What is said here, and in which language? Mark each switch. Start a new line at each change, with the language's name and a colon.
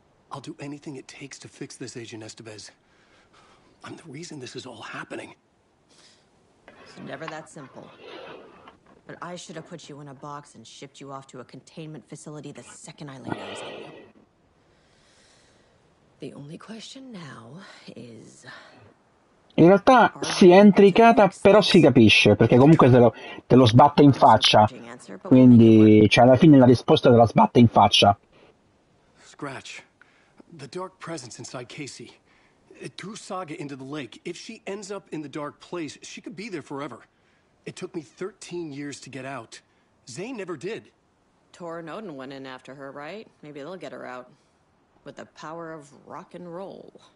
English: I'll do anything it takes to fix this, Agent Estevez. I'm the reason this is all happening. It's never that simple. But I should have put you in a box and shipped you off to a containment facility the second I laid eyes on you. The only question now is...
Italian: In realtà si è intricata, però si capisce, perché comunque te lo sbatte in faccia. Quindi, cioè, alla fine la risposta te la sbatte in faccia.
English: Scratch. The dark presence inside Casey. It threw Saga into the lake. If she ends up in the dark place, she could be there forever. It took me 13 years to get out. Zane never did. Tor and Odin went in after her, right? Maybe they'll get her out. With the power of rock and roll.